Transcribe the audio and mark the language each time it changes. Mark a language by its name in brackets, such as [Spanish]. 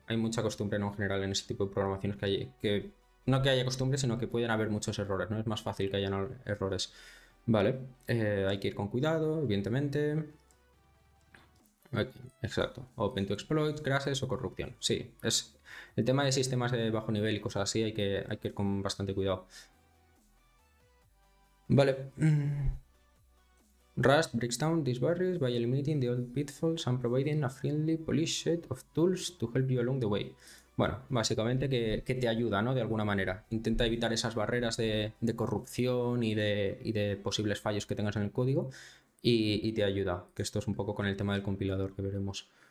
[Spanish] Hay mucha costumbre, ¿no? En general en ese tipo de programaciones que hay. Que. No que haya costumbre, sino que pueden haber muchos errores, ¿no? Es más fácil que hayan errores. Vale. Hay que ir con cuidado, evidentemente. Aquí, exacto. [English] Open to exploit, crashes [Spanish] o corrupción. Sí, es. El tema de sistemas de bajo nivel y cosas así hay que ir con bastante cuidado. Vale. [English] Rust breaks down these barriers by eliminating the old pitfalls and providing a friendly polished set of tools to help you along the way. [Spanish] Bueno, básicamente que te ayuda, ¿no? De alguna manera. Intenta evitar esas barreras de corrupción y de posibles fallos que tengas en el código y te ayuda. Que esto es un poco con el tema del compilador que veremos.